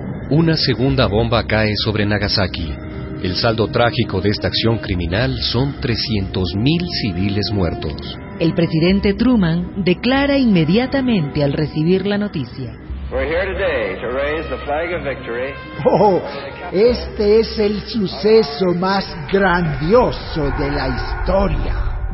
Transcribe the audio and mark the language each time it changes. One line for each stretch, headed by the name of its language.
Spanish: Una segunda bomba cae sobre Nagasaki. El saldo trágico de esta acción criminal son 300.000 civiles muertos. El presidente Truman declara inmediatamente al recibir la noticia.
English: We're here today to raise the flag of victory. ¡Oh!
Spanish: Este es el suceso más grandioso de la historia.